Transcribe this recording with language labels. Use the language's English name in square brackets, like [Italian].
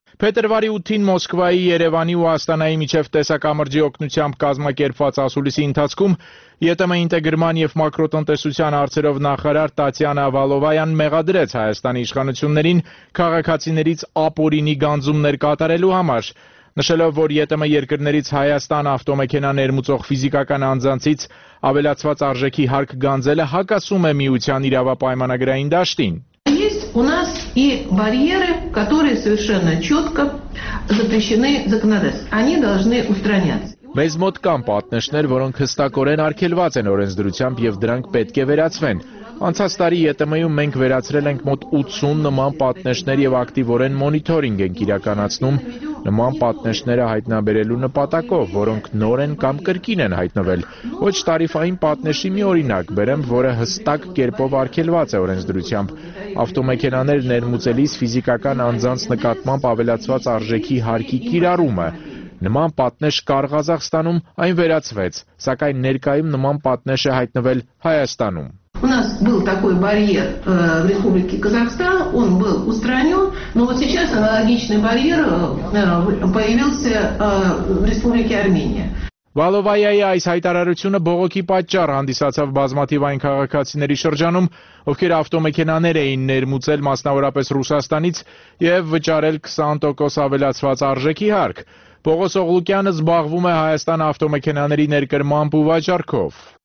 [Armenian] Փետրվարի 8-ին Մոսկվայի, Երևանի ու Աստանայի միջև տեսակամրջի օգնությամբ կազմակերպված ասուլիսի ընթացքում ԵՏՄ ինտեգրման և մակրոտնտեսության հարցերով նախարար Տատյանա Վալովայան մեղադրեց Հայաստանի իշխանություններին քաղաքացիներից ապօրինի գանձումներ կատարելու համար, նշելով, որ ԵՏՄ երկրներից Հայաստան ավտոմեքենա ներմուծող ֆիզիկական անձանցից ավելացված արժեքի հարկ գանձելը հակասում է միության իրավապայմանագրային դաշտին։ [Russian] У нас и барьеры, которые совершенно четко запрещены законодательством. Они должны устраняться. [Armenian] Մեզ մոտ կան պատնեշներ, որոնք հստակորեն արգելված են օրենսդրությամբ և դրանք պետք է վերացվեն։ Անցած տարի ԵՏՄ-ում մենք վերացրել ենք մոտ 80 նման պատնեշներ և ակտիվորեն մոնիթորինգ ենք իրականացնում նման պատնեշները հայտնաբերելու նպատակով, որոնք նոր են կամ կրկին են հայտնվել։ Ոչ տարիֆային պատնեշի մի օրինակ բերեմ, որը հստակ կերպով արգելված է օրենսդրությամբ. ավտոմեքենաներ ներմուծելիս ֆիզիկական անձանց նկատմամբ ավելացված արժեքի հարկի կիրառումը։ Նման պատնեշ կար Ղազախստանում, այն վերացվեց, սակայն ներկայում նման պատնեշ է հայտնվել Հայաստանում։ [Russian] У нас был такой барьер в Республике Казахстан, он был устранен, но вот сейчас аналогичный барьер появился в Республике Армения. [Armenian] Վալովայայի այս հայտարարությունը բողոքի պատճառ հանդիսացավ բազմաթիվ այն քաղաքացիների շրջանում, ովքեր ավտոմեքենաներ էին ներմուծել մասնավորապես Ռուսաստանից և վճարել 20% ավելացված արժեքի հարկ։ Պողոս Օղլուկյանը զբաղվում է Հայաստան ավտոմեքենաների ներկրմամբ ու վաճառքով։